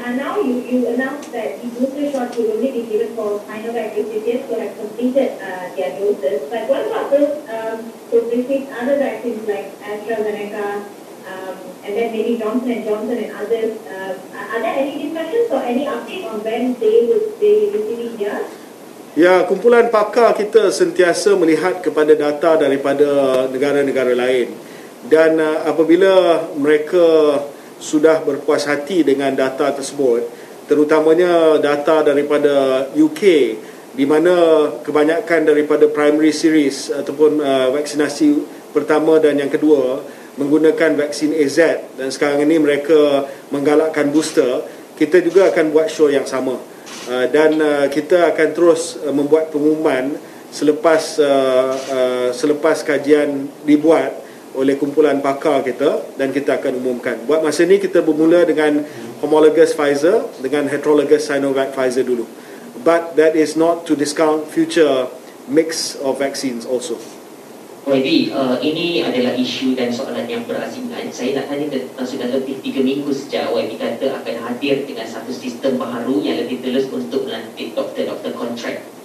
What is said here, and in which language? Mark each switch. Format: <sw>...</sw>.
<en>Now you announced that the booster shot will only be given for final vaccinations who have completed their doses. But what about those who received other vaccines like AstraZeneca and then maybe Johnson & Johnson and others? Are there any discussions or any update on when they would be receiving theirs?</en> <ms>Ya, kumpulan pakar kita sentiasa melihat kepada data daripada negara-negara lain. Dan apabila mereka sudah berpuas hati dengan data tersebut, terutamanya data daripada UK di mana kebanyakan daripada primary series ataupun vaksinasi pertama dan yang kedua menggunakan vaksin AZ dan sekarang ini mereka menggalakkan booster, kita juga akan buat show yang sama. Kita akan terus membuat pengumuman selepas selepas kajian dibuat oleh kumpulan pakar kita dan kita akan umumkan. Buat masa ini kita bermula dengan homologous Pfizer dengan heterologous Sinovac Pfizer dulu.</ms> <en>But that is not to discount future mix of vaccines also.</en> <ms>YB, ini adalah isu dan soalan yang berasingan. Saya nak tanya tentang sudah lebih 3 minggu sejak YB kata akan hadir dengan satu sistem baru yang lebih telus untuk melantik doktor-doktor kontrak.</ms>